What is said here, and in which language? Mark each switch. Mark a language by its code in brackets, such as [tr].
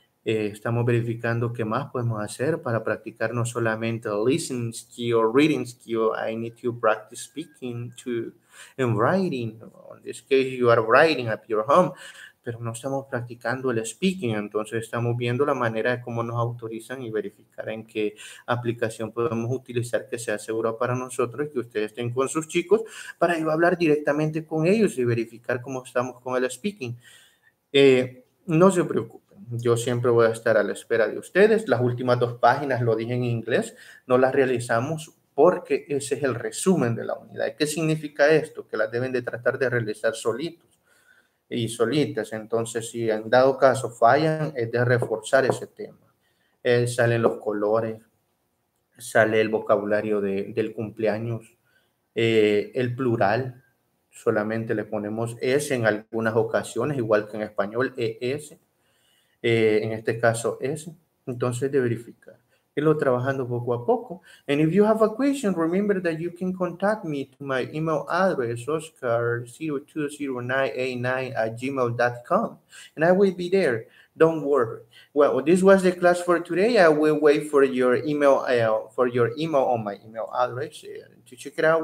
[es] Estamos verificando qué más podemos hacer para practicar no solamente listening skill, reading skill. [en] I need to practice speaking too and writing. In this case, you are writing at your home. [es] Pero no estamos practicando el speaking, entonces estamos viendo la manera de cómo nos autorizan y verificar en qué aplicación podemos utilizar que sea segura para nosotros, que ustedes estén con sus chicos, para yo hablar directamente con ellos y verificar cómo estamos con el speaking. No se preocupen, yo siempre voy a estar a la espera de ustedes. Las últimas dos páginas, lo dije en inglés, no las realizamos porque ese es el resumen de la unidad. ¿Qué significa esto? Que las deben de tratar de realizar solitos y solitas. Entonces, si en dado caso fallan, es de reforzar ese tema. Salen los colores, sale el vocabulario del cumpleaños, el plural, solamente le ponemos S en algunas ocasiones, igual que en español, ES, en este caso S. Entonces, de verificar. Irlo trabajando poco a poco. [en] And if you have a question, remember that you can contact me to my email address, oscar02098@gmail.com. And I will be there. Don't worry. Well, this was the class for today. I will wait for your email on my email address to check it out.